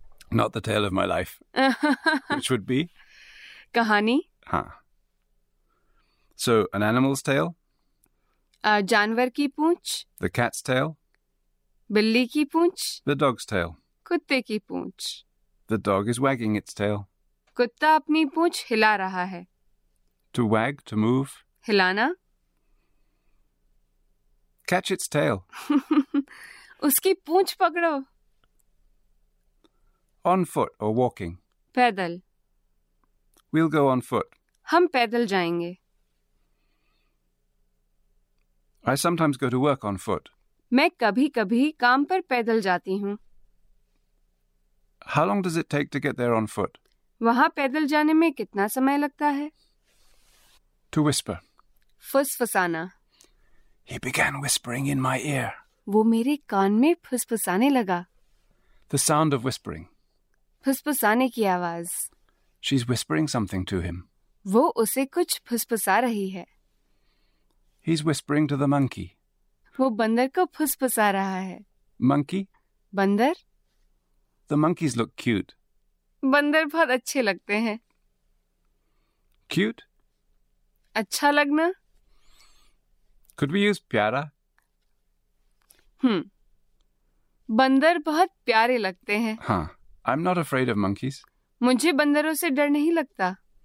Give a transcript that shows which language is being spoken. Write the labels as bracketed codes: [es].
[en] Not the tail of my life. Which would be? [hi] कहानी। [en] हाँ। So, an animal's tail? [hi] जानवर की पूंछ। [en] The cat's tail? [hi] बिल्ली की पूंछ। [en] The dog's tail? [hi] कुत्ते की पूंछ. [en] The dog is wagging its tail. [hi] कुत्ता अपनी पूंछ हिला रहा है. [en] To wag, to move. [hi] हिलाना. [en] Catch its tail. [hi] उसकी पूंछ पकड़ो. [en] On foot or walking. [hi] पैदल. [en] We'll go on foot. [hi] हम पैदल जाएंगे. [en] I sometimes go to work on foot. [hi] मैं कभी कभी काम पर पैदल जाती हूँ. [en] How long does it take to get there on foot? [hi] वहाँ पैदल जाने में कितना समय लगता है? [en] To whisper. [hi] फुसफुसाना. [en] He began whispering in my ear. [hi] वो मेरे कान में फुसफुसाने लगा. [en] The sound of whispering. [hi] फुसफुसाने की आवाज. [en] She's whispering something to him. [hi] वो उसे कुछ फुसफुसा रही है. [en] He's whispering to the monkey. [hi] वो बंदर को फुसफुसा रहा है. [en] Monkey? [hi] बंदर. [en] The monkeys look cute. [hi] बंदर बहुत अच्छे लगते हैं. [en] Cute? [hi] अच्छा लगना. [en] Could we use प्यारा? [hi] बंदर बहुत प्यारे लगते हैं. [en] हाँ, I'm not afraid of monkeys. [hi] मुझे बंदरों से डर नहीं लगता.